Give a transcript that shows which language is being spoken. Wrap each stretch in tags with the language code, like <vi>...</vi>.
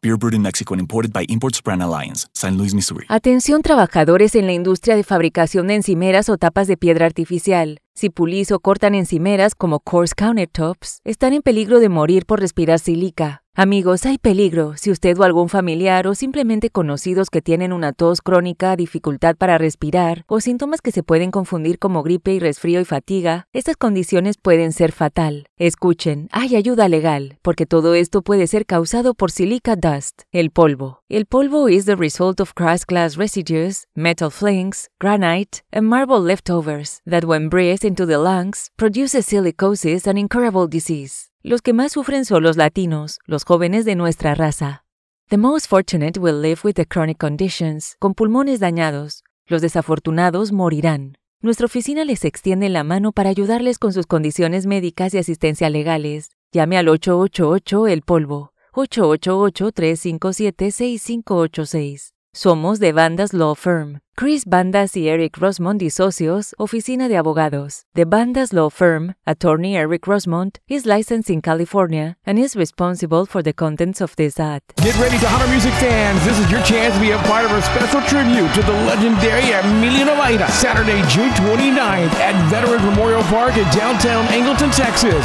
<en>Beer brewed in Mexico and imported by Imports Brand Alliance. San Luis, Missouri.</en> <es>Atención, trabajadores en la industria de fabricación de encimeras o tapas de piedra artificial. Si pulís o cortan encimeras como coarse countertops, están en peligro de morir por respirar sílica. Amigos, hay peligro. Si usted o algún familiar o simplemente conocidos que tienen una tos crónica, dificultad para respirar o síntomas que se pueden confundir como gripe y resfrío y fatiga, estas condiciones pueden ser fatal. Escuchen, hay ayuda legal, porque todo esto puede ser causado por silica dust, el polvo. El polvo</es> <en>is the result of crushed glass residues, metal flakes, granite, and marble leftovers that when breathed into the lungs, produces silicosis and incurable disease.</en> <es>Los que más sufren son los latinos, los jóvenes de nuestra raza.</es> <en>The most fortunate will live with the chronic conditions,</en> <es>con pulmones dañados. Los desafortunados morirán. Nuestra oficina les extiende la mano para ayudarles con sus condiciones médicas y asistencia legales. Llame al 888-EL-POLVO, 888-357-6586. Somos de Bandas Law Firm. Chris Bandas y Eric Rosmond y socios, oficina de abogados.</es> <en>The Bandas Law Firm, attorney Eric Rosmond, is licensed in California and is responsible for the contents of this ad. Get ready to Hunter Music fans. This is your chance to be a part of a special tribute to the legendary Emilio Navaira. Saturday, June 29th at Veterans Memorial Park in downtown Angleton, Texas.</en>